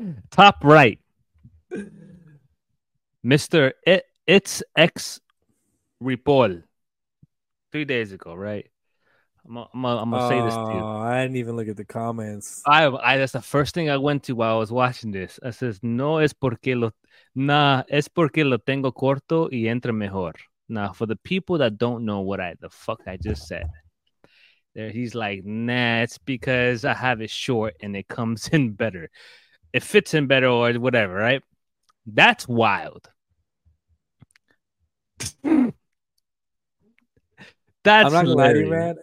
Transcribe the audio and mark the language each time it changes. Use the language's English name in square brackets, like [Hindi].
[English] Top right, Mr. It's X Ripoll. 3 days ago, right? I'm gonna say this to you. I didn't even look at the comments. I that's the first thing I went to while I was watching this. I says, [Spanish] "No es porque lo, nah, es porque lo tengo corto y entra mejor." [English] Now, for the people that don't know what the fuck I just said. He's like, nah, it's because I have it short and it comes in better. It fits in better or whatever, right? That's wild. That's I'm not gonna lie to you, man.